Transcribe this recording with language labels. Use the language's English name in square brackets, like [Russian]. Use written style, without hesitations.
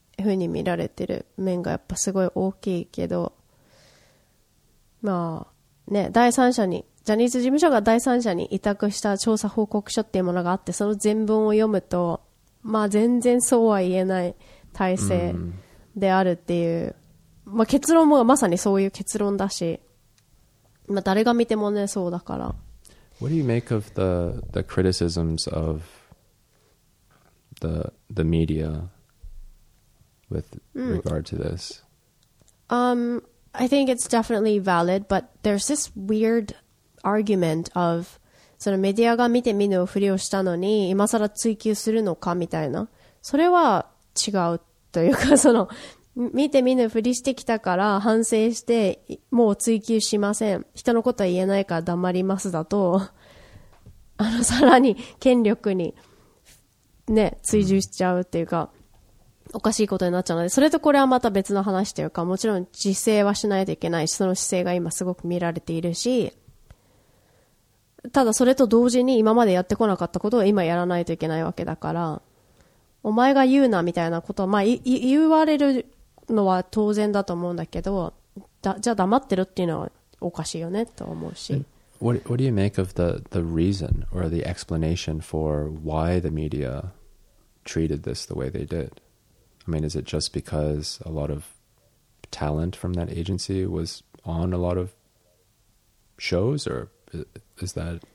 [Japanese] ふうに見られてる面がやっぱすごい大きいけど、まあね、第三者にジャニーズ事務所が第三者に委託した調査報告書っていうものがあって、その全文を読むと、まあ全然そうは言えない体制であるっていう、まあ結論もまさにそういう結論だし、まあ誰が見てもねそうだから。 [English] What do you make of the criticisms of the media? With regard to this, I think it's definitely valid, but there's this weird argument of [Japanese] そのメディアが見て見ぬふりをしたのに今さら追及するのかみたいな。それは違うというか、その見て見ぬふりしてきたから反省してもう追及しません、人のことは言えないから黙りますだと、あのさらに権力にね追従しちゃうっていうか、おかしいことになっちゃうので、それとこれはまた別の話というか、もちろん自制はしないといけないし、その姿勢が今すごく見られているし、ただそれと同時に今までやってこなかったことを今やらないといけないわけだから、お前が言うなみたいなことは、まあ言われるのは当然だと思うんだけど、じゃあ黙ってるっていうのはおかしいよねと思うし。 [English] What do you make of the reason or the explanation for why the media treated this the way they did? I mean, is it just because a lot of talent from that agency was on a lot of shows, or is that?